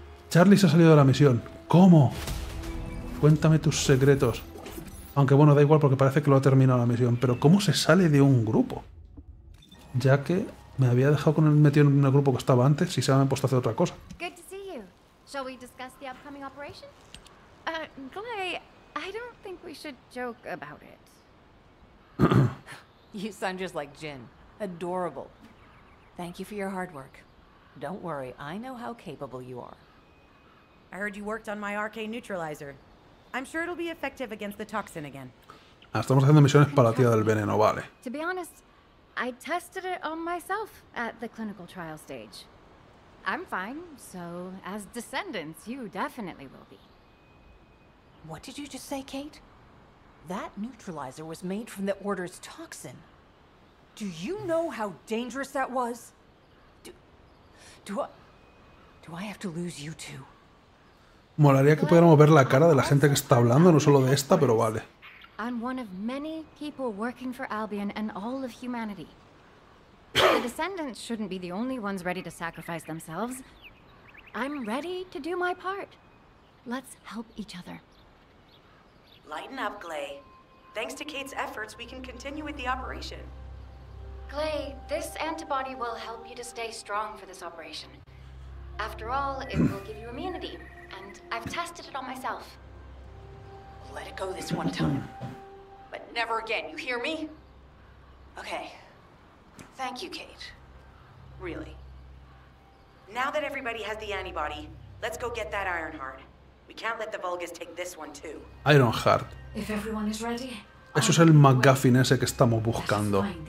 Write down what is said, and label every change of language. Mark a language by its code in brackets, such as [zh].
[es] Charlie se ha salido de la misión. ¿Cómo? Cuéntame tus secretos. Aunque bueno, da igual porque parece que lo ha terminado la misión. Pero ¿cómo se sale de un grupo? Ya que... Me había dejado con él metido en un grupo que estaba antes y se me ha puesto a hacer otra cosa. [en] Good to see you. Shall we discuss the upcoming operation? Clay, I don't think we should joke about it. You sound just like Jin. Adorable. Thank you for your hard work. Don't worry, I know how capable you are. I heard you worked on my RK neutralizer. I'm sure it'll be effective against the toxin again. [es] Ah, estamos haciendo misiones para la tía del veneno, vale. [en] To be honest, I tested it on myself at the clinical trial stage. I'm fine, so as descendants, you definitely will be. What did you just say, Kate? That neutralizer was made from the Order's toxin. Do you know how dangerous that was? Do I have to lose you too? [es] Molaría que pudiéramos ver la cara de la gente que está hablando, no solo de esta, pero vale. [en] I'm one of many people working for Albion and all of humanity. The descendants shouldn't be the only ones ready to sacrifice themselves. I'm ready to do my part. Let's help each other. Lighten up, Clay. Thanks to Kate's efforts, we can continue with the operation. Clay, this antibody will help you to stay strong for this operation. After all, it will give you immunity, and I've tested it on myself. Let it go this one time. But never again, you hear me? Okay. Thank you, Kate. Really. Now that everybody has the antibody, let's go get that Ironheart. We can't let the Vulgus take this one too. Ironheart. If everyone is ready. [es] Eso es el MacGuffin ese que estamos buscando.